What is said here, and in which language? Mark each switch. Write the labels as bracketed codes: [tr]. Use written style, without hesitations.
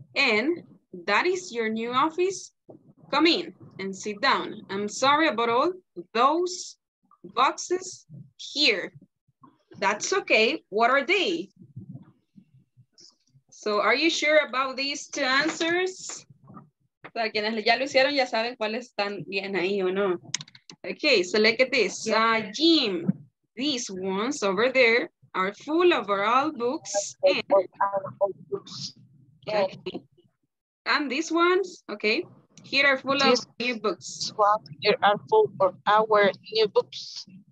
[en] And that is your new office? Come in and sit down. I'm sorry about all those boxes here. That's okay. What are they? So are you sure about these two answers? [es] Para quienes ya lo hicieron, ya saben cuáles están bien ahí o no. [en] Okay, so look at this. Jim, these ones over there are full of oral books. And, okay. And these ones, okay. Here are full of new books. Here are full of our new books.